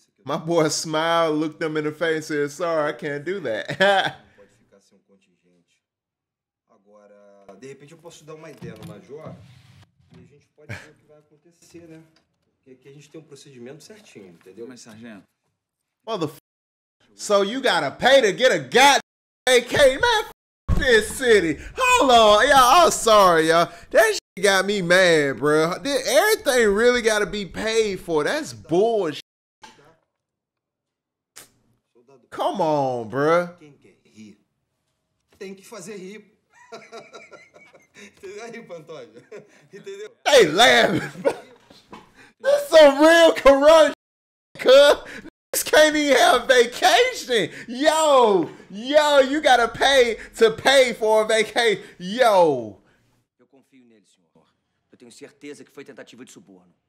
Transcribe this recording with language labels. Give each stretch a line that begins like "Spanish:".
English: My boy smiled, looked them in the face, and said, sorry, I can't do that.
Portuguese: De repente eu posso dar uma ideia no Major e a gente pode ver o que vai acontecer, né? Porque aqui a gente tem um procedimento certinho, entendeu? Mas, sargento.
English: So you gotta pay to get a goddamn AK, man? This city. Hold on, y'all. I'm sorry, y'all. That shit got me mad, bro. Everything really gotta be paid for. That's bullshit. Come on, bro.
Portuguese: Quem quer rir? Tem que fazer rir.
English: They laughing. That's some real corruption, cuz. This can't even have vacation. Yo, you gotta pay to pay for a vacation. Yo.
Portuguese: Eu confio nele, senhor. Eu tenho certeza que foi tentativa de suborno.